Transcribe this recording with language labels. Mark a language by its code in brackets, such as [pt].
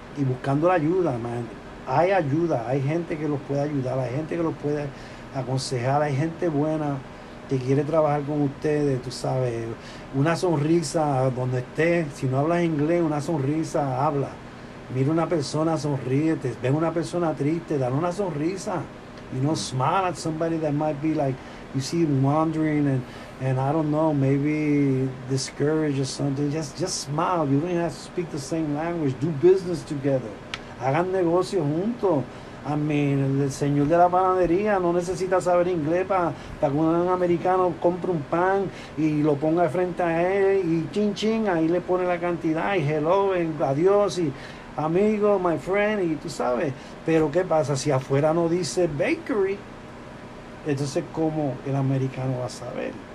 [es] Y buscando la ayuda, man. Hay ayuda, hay gente que los puede ayudar, hay gente que los puede aconsejar, hay gente buena que quiere trabajar con ustedes, tú sabes. Una sonrisa donde estés, si no hablas inglés, una sonrisa habla. Mira una persona, sonríete. Ven una persona triste, dale una sonrisa. [en] You know, smile at somebody that might be like, you see them wandering and I don't know, maybe discouraged or something. Just smile. You don't even have to speak the same language. Do business together. [es] Hagan negocio juntos. [en] I mean, [es] el señor de la panadería no necesita saber inglés para que un americano compre un pan y lo ponga frente a él y chin chin, ahí le pone la cantidad y hello, and adiós y amigo, [en] my friend, [es] y tú sabes, pero qué pasa si afuera no dice bakery, entonces cómo el americano va a saber.